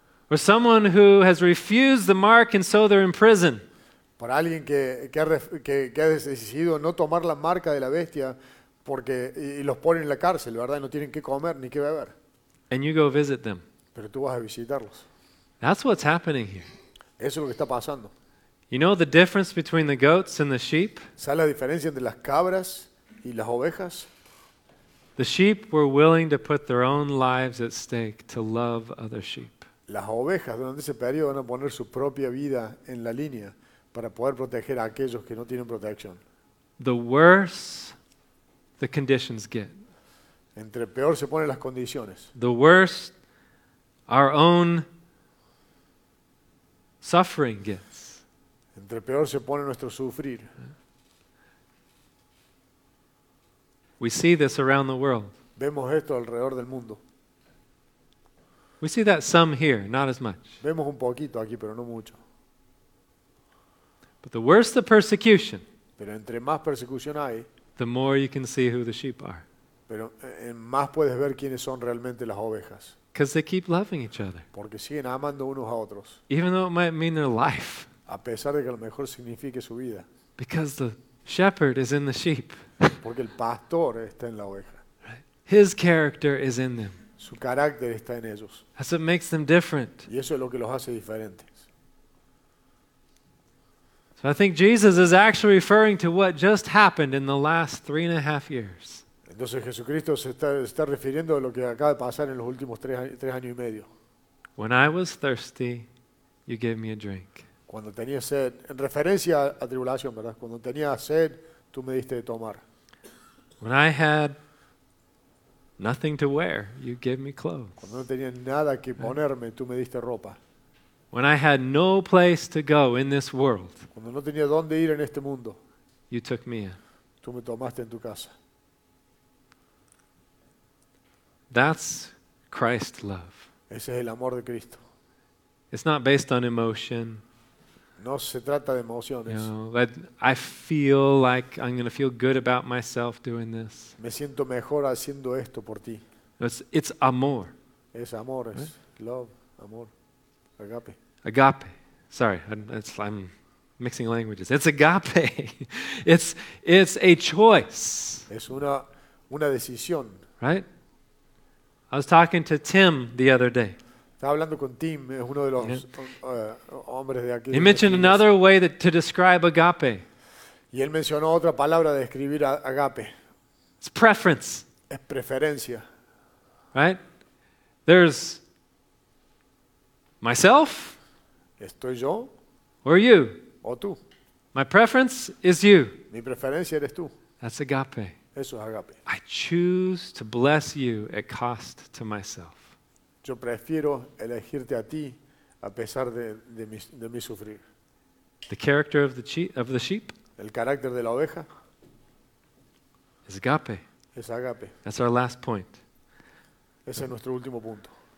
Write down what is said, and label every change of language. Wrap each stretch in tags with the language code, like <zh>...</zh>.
<en>Or someone who has refused the mark and so they're in prison.</en> <es>Para alguien que ha decidido no tomar la marca de la bestia porque y los ponen en la cárcel, ¿verdad? Y no tienen qué comer ni qué beber.</es> <en>And you go visit them.</en> <es>Pero tú vas a visitarlos.</es> <en>That's what's happening here.</en> <es>Eso es lo que está pasando.</es> <en>You know the difference between the goats and the sheep?</en> <es>¿Sabes la diferencia entre las cabras y las ovejas?</es> <en>The sheep were willing to put their own lives at stake to love other sheep.</en> <es>Las ovejas durante ese periodo van a poner su propia vida en la línea para poder proteger a aquellos que no tienen protección.</es> <en>The worse the conditions get.</en> <es>Entre peor se ponen las condiciones.</es> <en>The worse our own suffering gets.</en> <es>Entre peor se pone nuestro sufrir.</es> <en>We see this around the world.</en> <es>Vemos esto alrededor del mundo.</es> <en>We see that some here, not as much.</en> <es>Vemos un poquito aquí, pero no mucho.</es> <en>But the worse the persecution,</en> <es>pero entre más persecución hay,</es> <en>the more you can see who the sheep are.</en> <es>Pero más puedes ver quiénes son realmente las ovejas.</es> <en>Because they keep loving each other.</en> <es>Porque siguen amando unos a otros.</es> <en>Even though it might mean their life.</en> <es>A pesar de que a lo mejor signifique su vida.</es> <en>Because the shepherd is in the sheep.</en> <es>Porque el pastor está en la oveja.</es> <en>His character is in them.</en> <es>Su carácter está en ellos.</es> <en>That's what makes them different.</en> <es>Y eso es lo que los hace diferentes.</es> <en>So I think Jesus is actually referring to what just happened in the last 3.5 years.</en> <es>Entonces Jesucristo se está refiriendo a lo que acaba de pasar en los últimos tres años y medio.</es> <en>When I was thirsty, you gave me a drink.</en> <es>Cuando tenía sed, en referencia a tribulación, ¿verdad? Cuando tenía sed, tú me diste de tomar.</es> <en>When I had nothing to wear, you gave me clothes.</en> <es>Cuando no tenía nada que ponerme, tú me diste ropa.</es> <en>When I had no place to go in this world,</en> <es>cuando no tenía dónde ir en este mundo,</es> <en>you took me in.</en> <es>Tú me tomaste en tu casa.</es> <en>That's Christ's love.</en> <es>Ese es el amor de Cristo.</es> <en>It's not based on emotion.</en> <es>No se trata de emociones.</es> <en>You know, I feel like I'm going to feel good about myself doing this.</en> <es>Me siento mejor haciendo esto por ti.</es> <en>It's amor.</en> <es>Es amor, es love, amor, agape.</es> <en>Agape. Sorry, I'm mixing languages. It's agape. It's a choice.</en> <es>Es una decisión.</es> <en>Right? I was talking to Tim the other day.</en> <es>Estaba hablando con Tim, es uno de los hombres de aquí.</es> <en>He mentioned another way to describe agape.</en> <es>Y él mencionó otra palabra de describir agape.</es> <en>It's preference.</en> <es>Es preferencia.</es> <en>Right? There's myself.</en> <es>¿Estoy yo?</es> <en>Or you?</en> <es>¿O tú?</es> <en>My preference is you.</en> <es>Mi preferencia eres tú.</es> <en>That's agape.</en> <es>Eso es agape.</es> <en>I choose to bless you at cost to myself.</en> <es>Yo prefiero elegirte a ti a pesar de mi sufrir.</es> <en>The character of the sheep.</en> <es>El carácter de la oveja.</es> <en>Is agape.</en> <es>Es agape.</es> <en>That's our last point.</en> <es>Ese es nuestro último punto.</es>